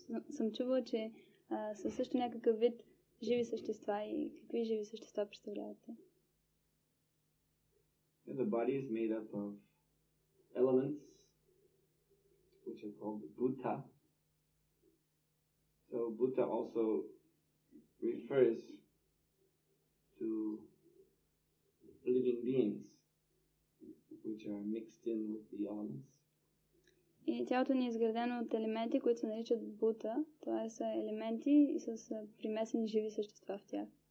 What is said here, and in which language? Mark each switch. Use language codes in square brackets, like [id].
[bg] Съм чувала, че са също някакъв вид живи същества и какви живи същества представлявате? [en] Yeah, the body is made up of elements, which are called Bhuta. So Bhuta also refers to living beings, which are mixed in with the elements. [bg] И тялото ни е изградено от елементи, които се наричат Бута, т.е. са елементи и са примесени живи същества в тях.